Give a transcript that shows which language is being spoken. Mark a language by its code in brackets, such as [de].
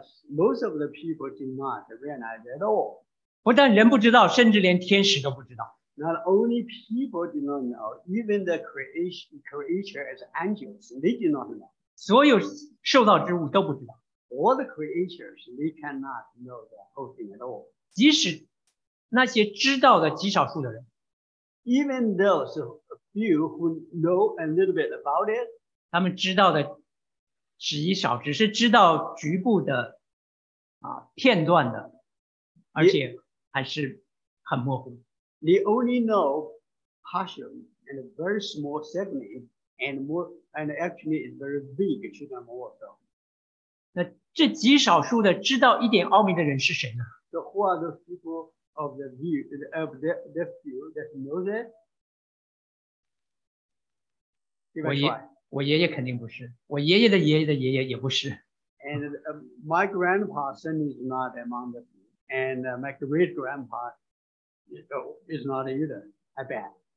[en] Most of the people did not realize at all. [zh] 不但人不知道，甚至连天使都不知道。 [en] Not only people did not know, even the creature as angels, they did not know. [zh] 所有受造之物都不知道。 [en] All the creatures, they cannot know the whole thing at all. [zh] 即使那些知道的极少数的人。 [en] Even those few who know a little bit about it, [zh] 他们知道的极少，只是知道局部的片段的，而且还是很模糊。 [en] They only know partially and a very small segment and actually is very big to them also. [zh] 那这极少数的知道一点奥秘的人是谁呢？ [en] So who are the people of the view of the few that know that? [zh] 我爷爷肯定不是，我爷爷的爷爷的爷爷也不是。 [en] And my grandpa is not among the few, and my great grandpa. It's not either. I bet.